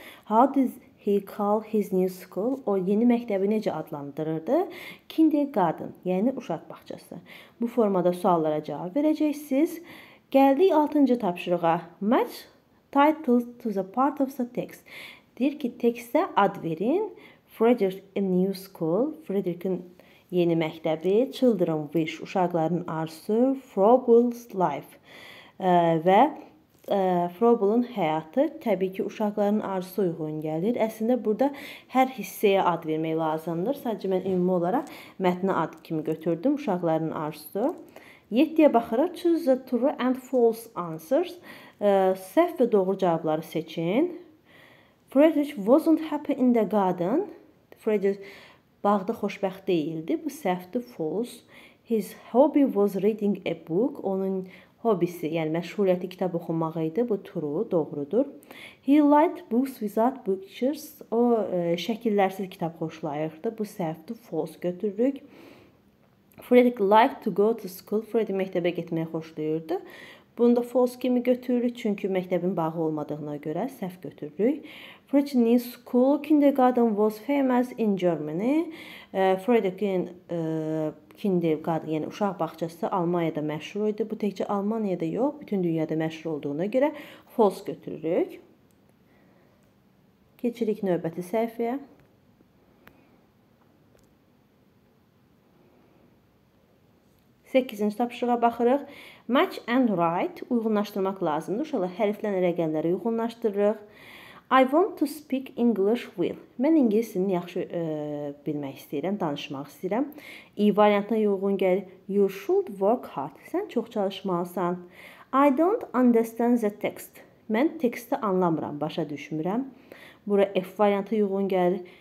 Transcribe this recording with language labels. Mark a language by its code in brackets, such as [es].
[en] How did he call his new school? [az] O yeni məktəbi necə adlandırırdı? Kindergarten, yəni uşaq bağçası. Bu formada suallara cavab verəcəksiniz. Gəldik 6-cı tapşırığa. [en] Match titles to the part of the text. [az] Deyir ki, tekstə ad verin. [en] Friedrich in new school. [az] Friedrich'in yeni məktəbi. [en] Children wish, [az] uşaqların arzusu. [en] Froebel's life. [az] Və Froebel'ın həyatı, təbii ki, uşaqların arzusu uyğun gəlir. Əslində, burada hər hissəyə ad vermək lazımdır. Sadəcə, mən ümumi olaraq mətnə ad kimi götürdüm, uşaqların arzusu. 7-yə baxırıq. [en] Choose the true and false answers. [az] Səhv və doğru cavabları seçin. [en] Friedrich wasn't happy in the garden. [az] Friedrich bağda xoşbəxt deyildi. Bu səhvdir, false. [en] His hobby was reading a book. [az] Onun hobisi, yəni məşğuliyyəti kitab oxumaq idi. Bu, true, doğrudur. [en] He liked books without pictures. [az] O, şəkillərsiz kitab xoşlayırdı. Bu, səhvdir, false götürürük. [en] Friedrich liked to go to school. [az] Friedrich məktəbə getməyi xoşlayırdı. Bunu da false kimi götürürük, çünki məktəbin bağı olmadığına görə səhv götürürük. [en] Friedrich's school kindergarten was famous in Germany. [az] Friedrich'in kindergarten, yəni uşaq bağçası Almanya'da məşhur idi. Bu təkcə Almanya'da yox, bütün dünyada məşhur olduğuna görə false götürürük. Keçirik növbəti səhifəyə. Səkizinci tapışıqa baxırıq. [en] Match and write [az] uyğunlaşdırmaq lazımdır. Uşaqlar, hərflərlə rəqəmləri uyğunlaşdırırıq. [en] I want to speak English well. [az] Mən ingilisini yaxşı bilmək istəyirəm, danışmaq istəyirəm. İ variantına uyğun gəl. [en] You should work hard. [az] Sən çox çalışmalısan. [en] I don't understand the text. [az] Mən teksti anlamıram, başa düşmürəm. Bura F variantına uyğun gəl.